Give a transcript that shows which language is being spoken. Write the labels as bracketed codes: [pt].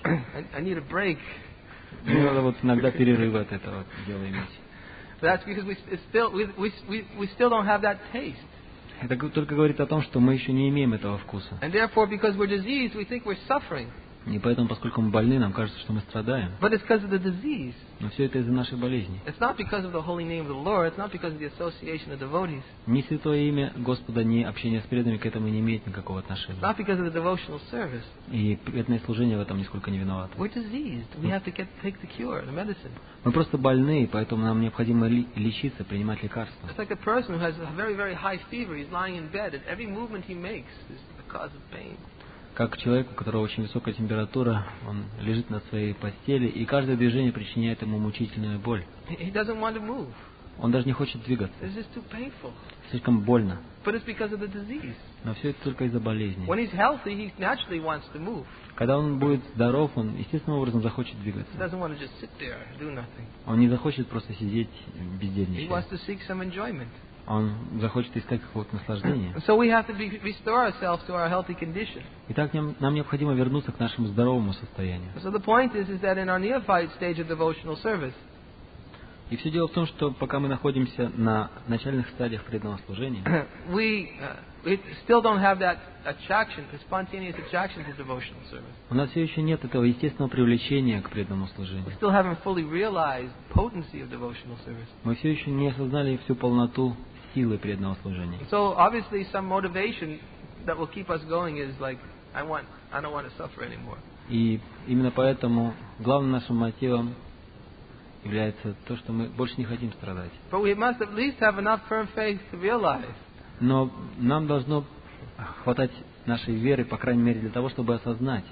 [ru] Не надо вот иногда перерывы от этого дела иметь. [en] That's because we still don't have that taste. [ru] Это только говорит о том, что мы еще не имеем этого вкуса. [en] And therefore, because we're diseased, we think we're suffering. [ru] И поэтому, поскольку мы больны, нам кажется, что мы страдаем. [en] But it's because of the disease. [ru] Но все это из-за нашей болезни. [en] It's not because of the holy name of the Lord. It's not because of the association of devotees. [ru] Ни святое имя Господа, ни общение с преданными к этому не имеет никакого отношения. [en] Not because of the devotional service. [ru] И преданное служение в этом нисколько не виновато. [en] We're diseased. We have to take the cure, the medicine. [ru] Мы просто больны, поэтому нам необходимо лечиться, принимать лекарства. [en] It's like a person who has a very, very high fever. He's lying in bed, and every movement he makes is a cause of pain. [ru] Как человек, у которого очень высокая температура, он лежит на своей постели, и каждое движение причиняет ему мучительную боль. [en] He doesn't want to move. [ru] Он даже не хочет двигаться. [en] It's just too painful. [ru] Слишком больно. [en] But it's because of the disease. [ru] Но все это только из-за болезни. [en] When he's healthy, he naturally wants to move. [ru] Когда он будет здоров, он естественным образом захочет двигаться. [en] He doesn't want to just sit there, do nothing. [ru] Он не захочет просто сидеть бездельничать. [en] He wants to seek some enjoyment. [ru] Он захочет искать какого-то наслаждения. [en] So we have to restore ourselves to our healthy condition. [ru] Итак, нам необходимо вернуться к нашему здоровому состоянию. [en] So the point is that in our neophyte stage of devotional service. [ru] И все дело в том, что пока мы находимся на начальных стадиях преданного служения, [en] we still don't have that attraction, the spontaneous attraction to devotional service. [ru] У нас все еще нет этого естественного привлечения к преданному служению. [en] We still haven't fully realized the potency of devotional service. [ru] Мы все еще не осознали всю полноту силы преданного служения. [en] So obviously some motivation that will keep us going is like I don't want to suffer anymore. [ru] И именно поэтому главным нашим мотивом является то, что мы больше не хотим страдать. [en] But we must at least have enough firm faith to realize. [ru] Но нам должно хватать нашей веры, по крайней мере, для того, чтобы осознать,